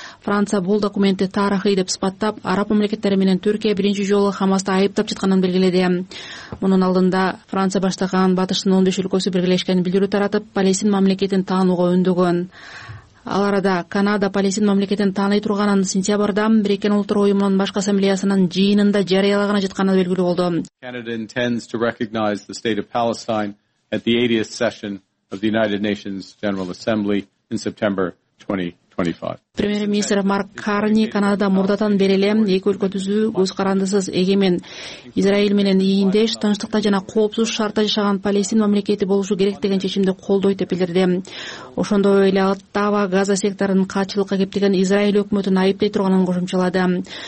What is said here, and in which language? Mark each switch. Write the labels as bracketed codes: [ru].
[ky] Франция бул документти тарыхый деп сыпаттап, араб мамлекеттери менен Түркия биринчи жолу Хамасты айыптап жатканын белгиледи. Мунун алдында Франция баштаган батыштын 15 өлкөсү биргелешкен билдирүү таратып, Палестин мамлекетин таанууга үндөгөн. Ал арада Канада Палестин мамлекетин тааный турганын сентябрда Бириккен Улуттар Уюмунун баш ассамблеясынын жыйынында жарыялаганы жатканы белгилүү болду. [en] Canada intends to recognize the state of Palestine at the 80th session of the United Nations General Assembly in September 2025. [ky] Премьер-министр Марк Карни Канада мурдатан бери эле эки өлкө түзүү көз карандысыз эгемен Израиль менен ийиндеш тынчтыкта жана коопсуз шартта жашаган Палестин мамлекети болушу керек деген чечимди колдойт деп билдирди. Ошондой эле Оттава Газа секторунун каачылыкка кептеген Израиль өкмөтүн айыптай турганын кошумчалады.